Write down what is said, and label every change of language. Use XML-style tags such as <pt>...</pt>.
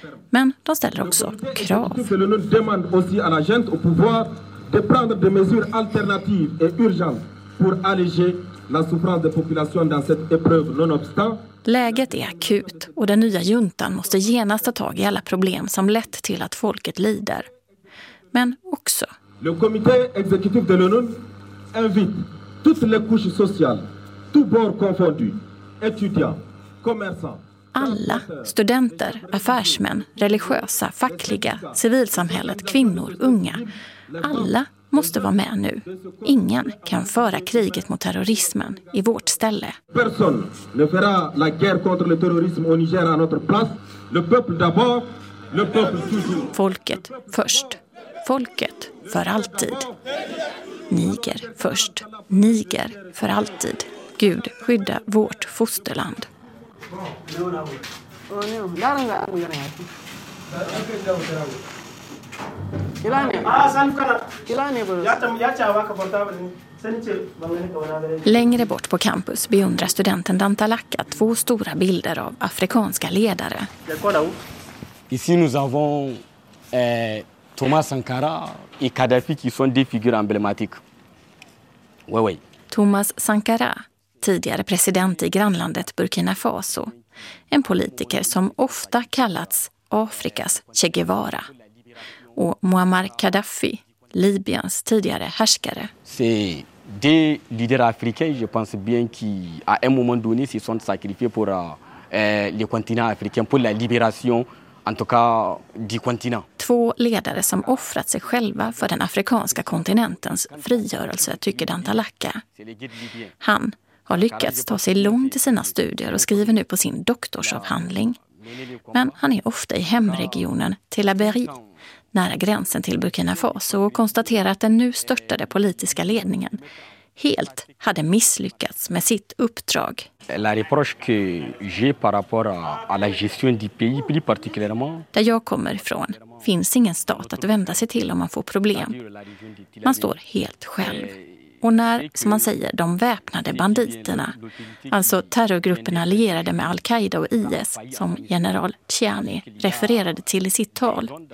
<sv>Men de ställer också krav. Läget är akut och den nya juntan måste genast ta tag i alla problem som lett till att folket lider. Men också.</sv> <fr>Le comité exécutif de l'ONU invite toutes les couches sociales, tous bords confondus, étudiants, commerçants.</fr> <sv>Alla studenter, affärsmän, religiösa, fackliga, civilsamhället, kvinnor, unga. Alla måste vara med nu. Ingen kan föra kriget mot terrorismen i vårt ställe.</sv> <fr>Personne ne fera la guerre contre le terrorisme au Niger à notre place. Le peuple d'abord, le peuple toujours.</fr> <sv>Folket först. Folket för alltid. Niger först. Niger för alltid. Gud skydda vårt fosterland. Längre bort på campus beundrar studenten Dantalaka två stora bilder av afrikanska ledare.</sv> <fr>Ici nous avons Thomas Sankara et Kadhafi qui sont des figures emblématiques. Oui.</fr> <sv>Thomas Sankara, tidigare president i grannlandet Burkina Faso. En politiker som ofta kallats Afrikas Che Guevara. Och Muammar Gaddafi, Libyens tidigare härskare.</sv> <fr>C'est des leaders africains, je pense bien qui à un moment donné se sont sacrifiés pour le continent africain pour la libération en tout cas du continent.</fr> <sv>Två ledare som offrat sig själva för den afrikanska kontinentens frigörelse, tycker Dantalaka. Han har lyckats ta sig långt i sina studier och skriver nu på sin doktorsavhandling. Men han är ofta i hemregionen Tillaberi, nära gränsen till Burkina Faso, och konstaterar att den nu störtade politiska ledningen helt hade misslyckats med sitt uppdrag.</sv> <fr>La reproche que j'ai par rapport à la gestion du pays plus particulièrement.</fr> <sv>Där jag kommer ifrån finns ingen stat att vända sig till om man får problem. Man står helt själv. Och när, som man säger, de väpnade banditerna, alltså terrorgrupperna allierade med Al-Qaida och IS, som general Tjani refererade till i sitt tal.</sv>